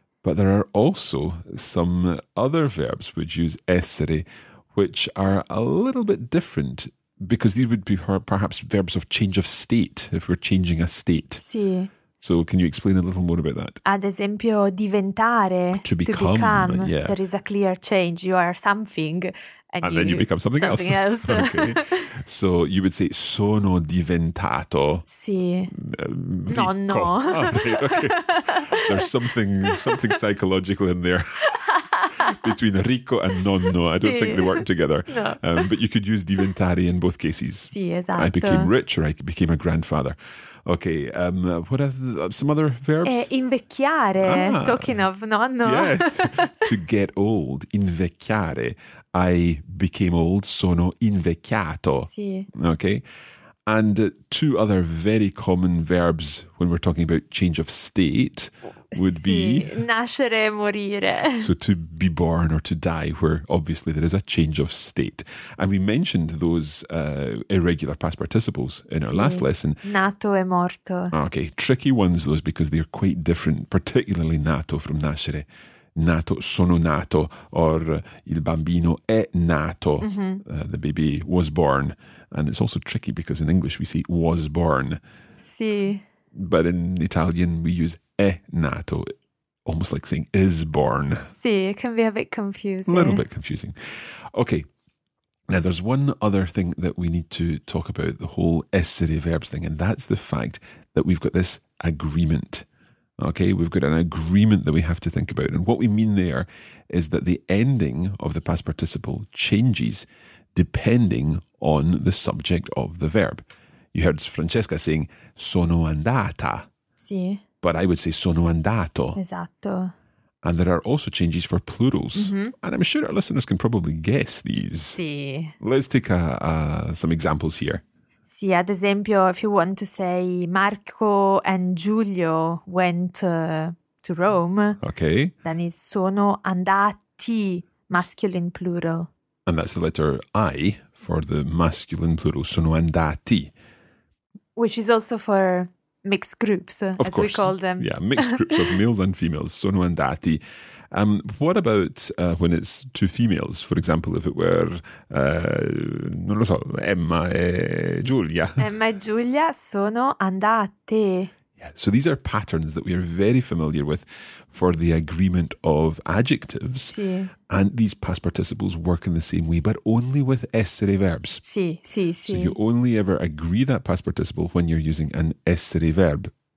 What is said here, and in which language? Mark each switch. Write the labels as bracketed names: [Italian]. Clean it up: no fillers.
[English] But there are also some other verbs which use essere, which are a little bit different, because these would be perhaps verbs of change of state, if we're changing a state. [Italian] Sì. [English] So can you explain a little more about that? [Italian] Ad esempio, diventare. [English] To become. To become. Yeah. There is a clear change. You are something. And then you become something else. Okay. So you would say, [Italian] sono diventato. Sì. Nonno. [English] Oh, right. Okay. There's something psychological in there. between Rico and Nonno. I don't think they work together. No. But you could use diventare in both cases. [Italian] Sì, esatto. [English] I became rich or I became a grandfather. Okay, what are some other verbs? [Italian] Invecchiare, talking of nonno. [English] Yes, to get old, invecchiare. I became old, [Italian] sono invecchiato. Sì. [English] Okay, and two other very common verbs when we're talking about change of state would [Italian] sì. [English] be... [Italian] Nascere e morire. [English] So to be born or to die, where obviously there is a change of state. And we mentioned those irregular past participles in [Italian] sì. [English] our last lesson. [Italian] Nato e morto. [English] Okay, tricky ones those because they're quite different, particularly nato from nascere. [Italian] Nato, sono nato, or il bambino è nato, mm-hmm. [English] The baby was born. And it's also tricky because in English we say was born. [Italian] Sì. [English] But in Italian we use [Italian] è nato, [English] almost like saying is born. Sì, it can be a bit confusing. A little bit confusing. Okay, now there's one other thing that we need to talk about, the whole essere verbs thing, and that's the fact that we've got this agreement. Okay, we've got an agreement that we have to think about. And what we mean there is that the ending of the past participle changes depending on the subject of the verb. You heard Francesca saying, [Italian] sono andata. Sì. [English] But I would say, [Italian] sono andato. Esatto. [English] And there are also changes for plurals. Mm-hmm. And I'm sure our listeners can probably guess these. [Italian] Sì. [English] Let's take some examples here. [Italian] Sì, ad esempio, [English] if you want to say Marco and Giulio went to Rome, okay, then it's [Italian] sono andati, [English] masculine plural. And that's the letter I for the masculine plural, [Italian] sono andati. [English] Which is also for mixed groups, of as course. We call them. Yeah, mixed groups of males and females, [Italian] sono andati. [English] What about when it's two females? For example, if it were, [Italian] non lo so, [English] Emma e Giulia. [Italian] Emma e Giulia sono andate. [English] Yeah, so these are patterns that we are very familiar with for the agreement of adjectives. [Italian] Sì. [English] And these past participles work in the same way, but only with essere verbs. [Italian] Sì, sì, sì. [English] So you only ever agree that past participle when you're using an essere verb.